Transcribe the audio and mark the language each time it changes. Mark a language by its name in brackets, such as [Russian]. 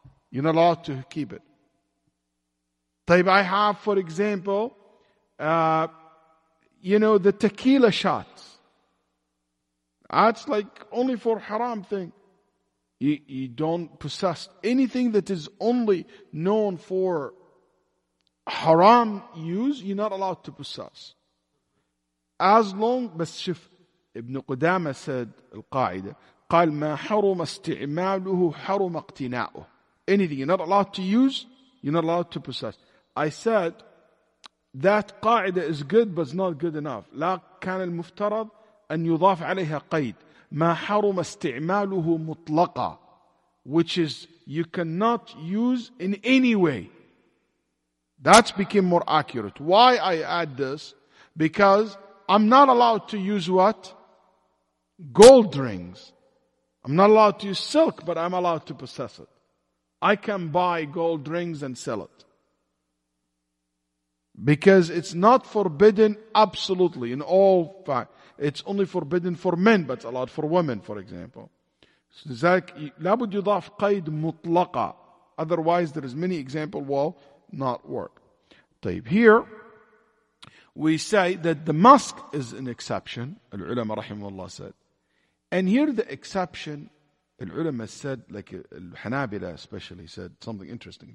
[English] You're not allowed to keep it. Taib, I have, for example, the tequila shots. That's like only for haram thing. You don't possess anything that is only known for haram use, you're not allowed to possess. As long, [Arabic] بس شف, Ibn Qudama said, القاعدة, قال ما حرم استعماله حرم اقتناؤه. [English] Anything you're not allowed to use, you're not allowed to possess. I said, that قاعدة is good, but it's not good enough. [Arabic] لا كان المفترض أن يضاف عليها قيد. ما حرم استعماله مطلقة. [English] Which is, you cannot use in any way. That's became more accurate. Why I add this? Because I'm not allowed to use what? Gold rings. I'm not allowed to use silk, but I'm allowed to possess it. I can buy gold rings and sell it. Because it's not forbidden absolutely. In all fact, it's only forbidden for men, but it's allowed for women, for example. [Arabic] So ذلك لابد يضاف قيد مطلقة. [English] Otherwise, there is many examples will not work. طيب, here, we say that the musk is an exception, [Arabic] العلماء رحمه الله [English] said. And here the exception, العلماء said, like الحنابلة especially said something interesting.